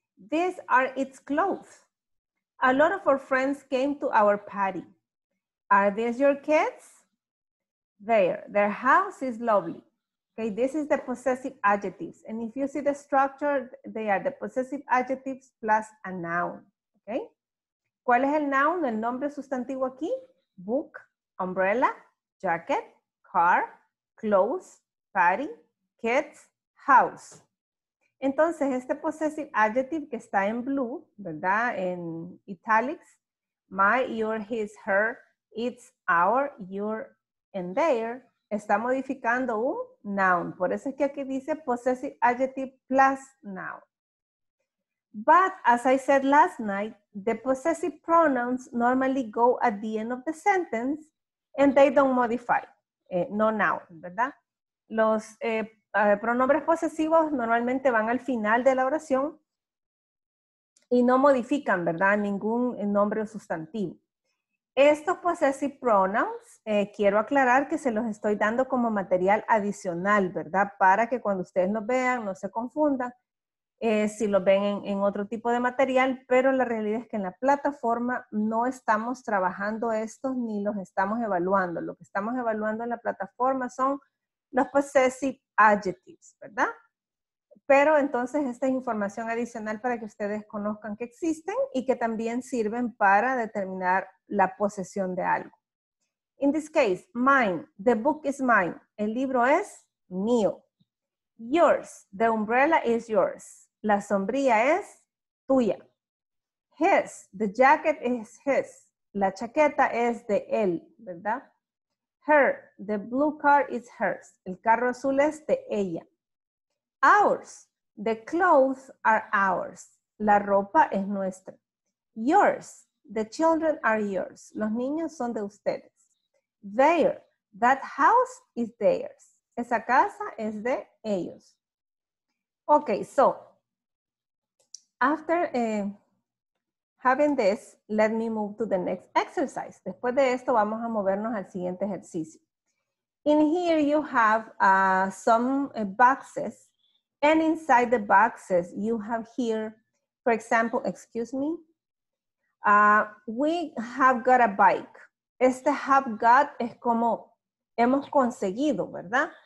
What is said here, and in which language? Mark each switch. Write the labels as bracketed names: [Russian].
[English] These are its clothes. A lot of our friends came to our party. Are these your kids? There, their house is lovely. Okay, this is the possessive adjectives. And if you see the structure, they are the possessive adjectives plus a noun. [Spanish] Okay, ¿cuál es el noun, el nombre sustantivo aquí? [English] Book, umbrella, jacket, car, clothes, party, kids, house. [Spanish] Entonces, este possessive adjective que está en blue, ¿verdad? En italics, my, your, his, her, it's, our, your, and their, está modificando un noun. Por eso es que aquí dice possessive adjective plus noun. [English] But as I said last night, the possessive pronouns normally go at the end of the sentence and they don't modify, no noun, ¿verdad? [Spanish] Los pronombres posesivos normalmente van al final de la oración y no modifican, ¿verdad?, ningún nombre o sustantivo. Estos possessive pronouns, quiero aclarar que se los estoy dando como material adicional, ¿verdad?, para que cuando ustedes los vean no se confundan si los ven en otro tipo de material, pero la realidad es que en la plataforma no estamos trabajando estos ni los estamos evaluando. Lo que estamos evaluando en la plataforma son los possessive adjectives, ¿verdad? Pero entonces esta es información adicional para que ustedes conozcan que existen y que también sirven para determinar la posesión de algo. [English] In this case, mine, the book is mine. [Spanish] El libro es mío. [English] Yours, the umbrella is yours. [Spanish] La sombrilla es tuya. [English] His, the jacket is his. [Spanish] La chaqueta es de él, ¿verdad? [English] Her, the blue car is hers. [Spanish] El carro azul es de ella. [English] Ours, the clothes are ours. [Spanish] La ropa es nuestra. [English] Yours, the children are yours. [Spanish] Los niños son de ustedes. [English] There, that house is theirs. [Spanish] Esa casa es de ellos. [English] Okay, so, after having this, let me move to the next exercise. [Spanish] Después de esto, vamos a movernos al siguiente ejercicio. [English] In here, you have some boxes. And inside the boxes, you have here, for example, excuse me. We have got a bike. [Spanish] Este have got es como hemos conseguido, ¿verdad?